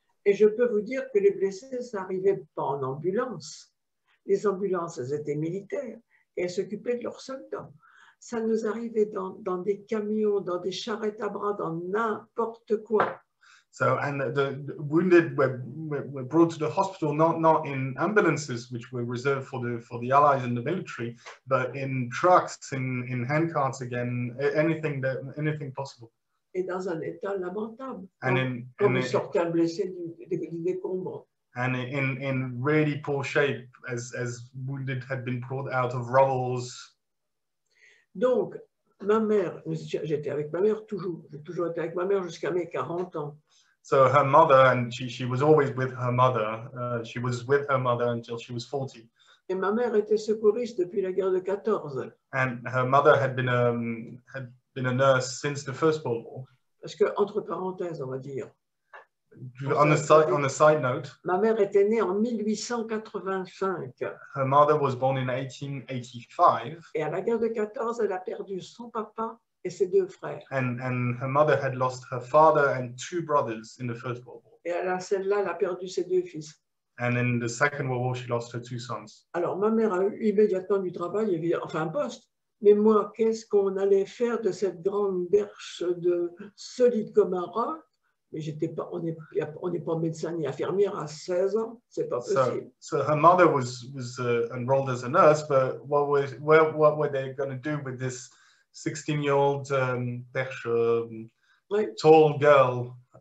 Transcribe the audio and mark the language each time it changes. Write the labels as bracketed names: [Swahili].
[French] Et je peux vous dire que les blessés n'arrivaient pas en ambulance. Les ambulances étaient militaires et elles s'occupaient de leurs soldats. Ça nous arrivait dans des camions, dans des charrettes à bras, dans n'importe quoi. [English] So, and the wounded were brought to the hospital not in ambulances, which were reserved for the allies and the military, but in trucks, in handcarts, again, anything possible. [French] Et dans un état lamentable. Comme sortait un blessé du décombre. [English] And in really poor shape, as wounded had been brought out of rubbles. [French] Donc, ma mère, j'étais avec ma mère toujours. J'ai toujours été avec ma mère jusqu'à mes 40 ans. [English] So her mother, and she was always with her mother. She was with her mother until she was 40. [French] Et ma mère était secouriste depuis la guerre de 14. [English] And her mother had been a nurse since the First World War. [French] Parce que, entre parenthèses, on va dire. [English] On a side note, [French] ma mère était née en 1885. [English] Her mother was born in 1885. [French] Et à la guerre de 14, elle a perdu son papa et ses deux frères. [English] And her mother had lost her father and two brothers in the First World War. [French] Et à celle-là, elle a perdu ses deux fils. [English] And in the Second World War, she lost her two sons. [French] Alors, ma mère a eu immédiatement du travail, enfin un poste. Mais moi, qu'est-ce qu'on allait faire de cette grande berche de solide comme un roc? Mais j'étais pas, on n'est pas médecin ni infirmière à 16 ans, c'est pas possible. [English] So her mother was enrolled as a nurse, but what were they going to do with this 16-year-old perche, tall girl?